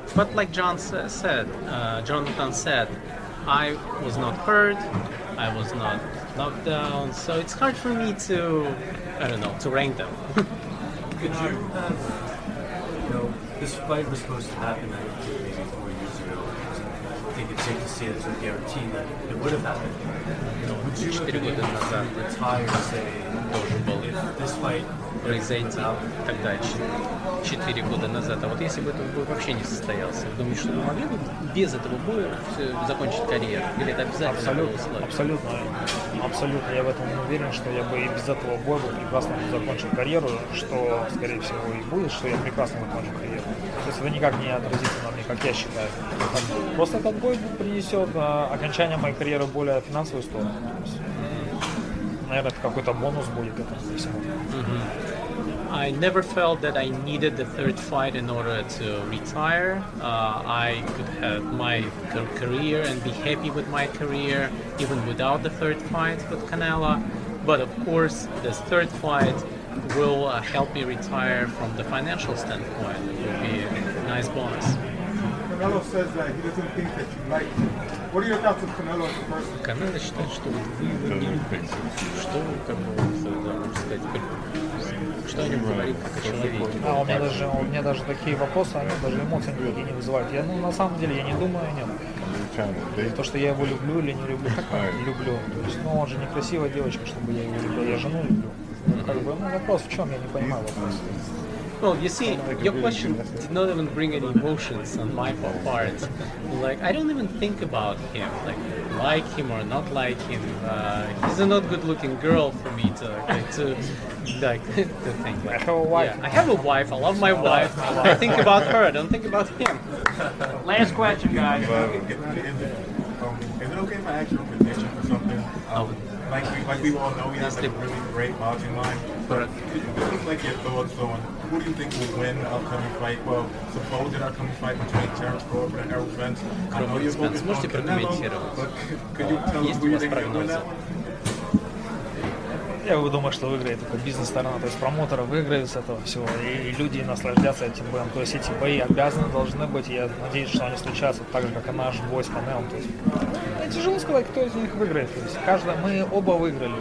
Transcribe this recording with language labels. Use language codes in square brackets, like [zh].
[en] But like John said, Jonathan said, I was not hurt, I was not knocked down, so it's hard for me to, I don't know, to rank them. Could you have, you know, this fight was supposed to happen, I think, maybe 4 years ago. I think it's safe to say there's a guarantee that it would have happened. You know, would you have been able to retire, say, if this fight [ru] произойти тогда 4 года назад. А вот если бы этот бой вообще не состоялся, вы думаете, что вы могли бы без этого боя закончить карьеру? Или это обязательно абсолютно, было абсолютно, абсолютно. Я в этом уверен, что я бы и без этого боя бы прекрасно закончил карьеру, что, скорее всего, и будет, что я прекрасно закончу карьеру. То есть это никак не отразится на мне, как я считаю. Просто этот бой принесет окончание моей карьеры более финансовую сторону. Наверное, это какой-то бонус будет этому всему. [en] I never felt that I needed the third fight in order to retire. I could have my career and be happy with my career even without the third fight with Canelo. But of course, this third fight will help me retire from the financial standpoint. It will be a nice bonus. Canelo says that he doesn't think that you like him. What are your thoughts on Canelo as a person? Canelo [ru] считает, что вы не любите. Что вы, как бы, да, можно сказать, что они говорят, как о человеке? А у меня даже такие вопросы, они даже эмоции никакие не вызывают. Я, ну, на самом деле, я не думаю о нем. То, что я его люблю или не люблю, как я люблю. То есть, ну, он же некрасивая девочка, чтобы я его любил. Я жену люблю. Как бы, ну, вопрос в чем, я не понимаю вопрос. [en] Well, you see, your question did not even bring any emotions on my part. Like, I don't even think about him, like him or not like him. He's a not good-looking girl for me to think. Like, I have a wife. Yeah, I have a wife. I love my wife. I think about her. I don't think about him. Last question, guys. Is it okay if I ask you a prediction for something? Like we all know, we have like a really great boxing line. But it like your thoughts on who do you think will win the upcoming fight? Well, supposed upcoming fight between Terence Crawford and Errol Spence. Crawford and Spence, you can comment on it. Could you tell us who you think will win that? [ru] Я думаю, что выиграет только бизнес-сторона, то есть промоутеры выиграют с этого всего, и люди наслаждятся этим боем. То есть эти бои обязаны, должны быть, и я надеюсь, что они случатся так же, как и наш бой с Канелом. То есть, тяжело сказать, кто из них выиграет. То есть, каждый, мы оба выиграли.